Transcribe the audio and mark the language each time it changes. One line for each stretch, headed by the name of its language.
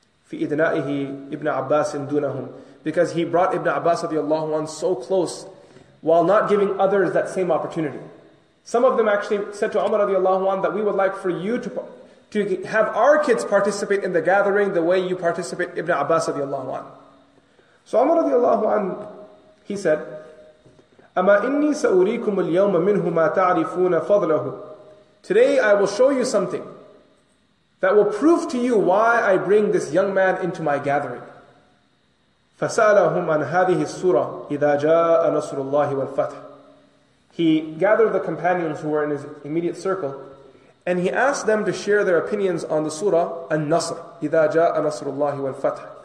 Arabic: فِي إِدْنَائِهِ
English: Ibn Abbasٍ دُونَهُمْ, because he brought Ibn Abbas radiallahu anhu so close while not giving others that same opportunity. Some of them actually said to Umar radiallahu anhu that we would like for you to have our kids participate in the gathering the way you participate Ibn Abbas radiallahu anhu. So Umar radiallahu anhu, he said,
Arabic: أَمَا إِنِّي سَأُرِيكُمُ الْيَوْمَ مِنْهُ مَا تَعْرِفُونَ فَضْلَهُ.
English: Today I will show you something that will prove to you why I bring this young man into my gathering.
Arabic: فَسَأَلَهُمْ عَنْ هَذِهِ السُّورَةِ إِذَا جَاءَ نَصْرُ اللَّهِ وَالْفَتْحِ.
English: He gathered the companions who were in his immediate circle, and he asked them to share their opinions on the surah An-Nasr,
Arabic: إِذَا جَاءَ نَصْرُ اللَّهِ وَالْفَتْحِ.